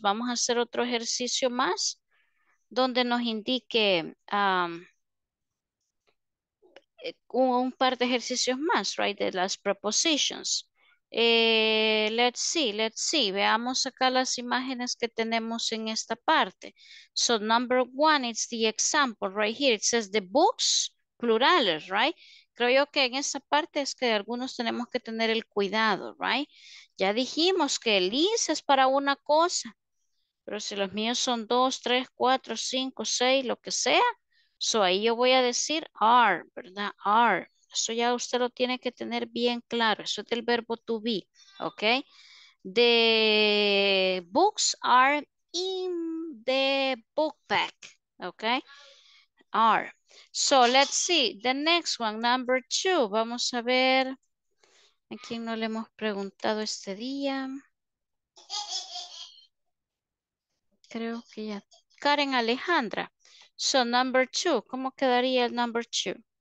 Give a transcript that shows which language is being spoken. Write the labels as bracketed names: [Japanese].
[Spanish] Vamos a hacer otro ejercicio más donde nos indique un par de ejercicios más, [English] right, [Spanish] de las prepositions. [English] Let's see. [Spanish] Veamos acá las imágenes que tenemos en esta parte. [English] So, number one, it's the example right here. It says the books, plurales, right? [Spanish] Creo yo que en esa parte es que algunos tenemos que tener el cuidado, [English] right? [Spanish] Ya dijimos que el is es para una cosa, pero si los míos son dos, tres, cuatro, cinco, seis, lo que sea, so ahí yo voy a decir are, ¿verdad? Are. Eso ya usted lo tiene que tener bien claro. Eso es del verbo to be, ¿ok? [English] The books are in the book bag, [Spanish] ¿ok? Are. [English] So let's see, the next one, number two. [Spanish] Vamos a ver a quién no le hemos preguntado este día. Creo que ya. Karen Alejandra. [English] So number two, [Spanish] ¿cómo quedaría el number two?